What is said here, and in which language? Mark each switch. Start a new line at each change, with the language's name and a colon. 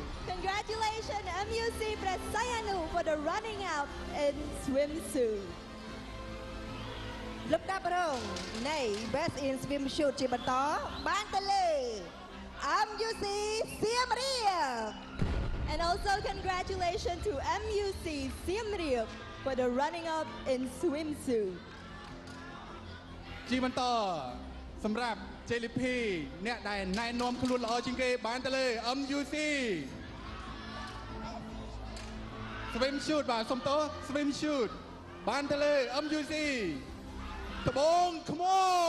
English: Congratulations MUC ព្រះសីហនុ for the running out in swimsuit
Khmer: លំដាប់រងនៃ Best in Swim Shoot ជាបន្តបានទៅលើMUC Siem Reap.
English: And also congratulations to MUC Siem Reap for the running up in swimsuit.
Khmer: ជីបន្តសម្រាប់ JLP អ្នកដែលណែនាំខ្លួនល្អជាងគេបានទៅលើ MUC Swimsuit បាទសុំតោះ Swimsuit បានទៅលើ MUC ត្បូងខ្មៅ